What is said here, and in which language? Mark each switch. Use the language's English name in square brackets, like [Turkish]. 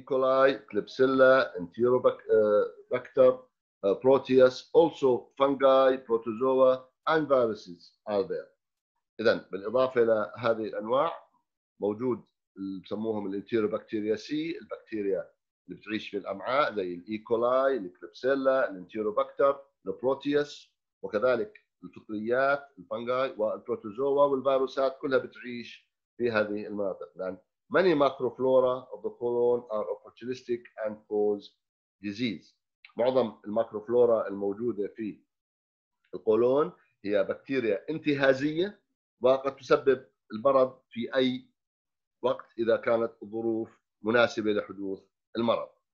[English] coli, Klebsiella, Enterobacter, Proteus, also fungi, protozoa and viruses are there. [Arabic] إذن بالإضافة إلى هذه الأنواع موجود اللي بسموهم الانتيرو بكتيريا سي، البكتيريا اللي بتعيش في الأمعاء زي الإي كولاي، الكليبسيلا، الانتيرو بكتر، البروتيوس، وكذلك الفطريات، الفنجاي والبروتوزوا والفيروسات كلها بتعيش في هذه المناطق. [English] لأن many microflora of the colon are opportunistic and cause disease. [Arabic] معظم الميكروفلورا الموجودة في القولون هي بكتيريا انتهازية وقد تسبب المرض في أي وقت إذا كانت الظروف مناسبة لحدوث المرض.